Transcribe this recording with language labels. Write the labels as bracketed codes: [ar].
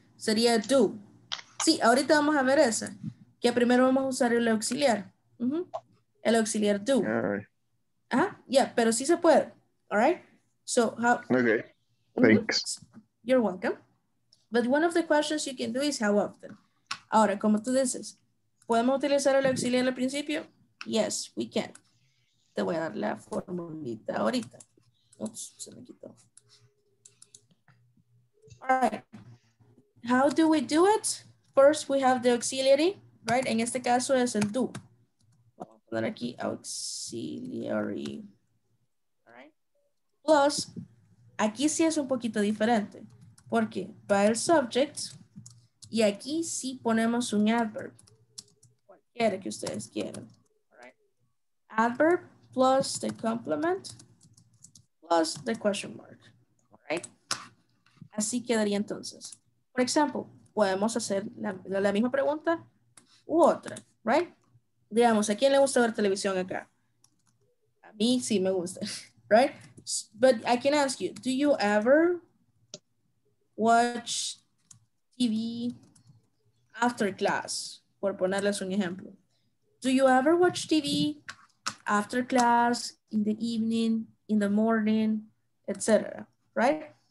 [es] Sería do. Sí, ahorita vamos a ver esa. Que primero vamos a usar el auxiliar. Mm-hmm. El auxiliar do. [en] All right. Yeah, [es] pero sí se puede. [en] All right. So how? Okay. Thanks. You're welcome. But one of the questions you can do is how often. [es] Ahora, como tú dices, ¿podemos utilizar el auxiliar al principio? [en] Yes, we can. [es] Te voy a dar la formulita ahorita. Oops, se me quitó. [en] All right. How do we do it? First, we have the auxiliary, right? [es] En este caso es el do. Poner aquí auxiliary, all right? Plus, aquí sí es un poquito diferente. porque va el subject y aquí sí ponemos un adverb, cualquiera que ustedes quieran. [en] Adverb plus the complement plus the question mark. [es] Right? Así quedaría entonces. Por ejemplo, podemos hacer la misma pregunta u otra, right? Digamos, ¿a quién le gusta ver televisión acá? A mí sí me gusta, right? [en] But I can ask you, do you ever watch TV after class? [es] Por ponerles un ejemplo. [en] Do you ever watch TV after class, in the evening, in the morning, etc., right?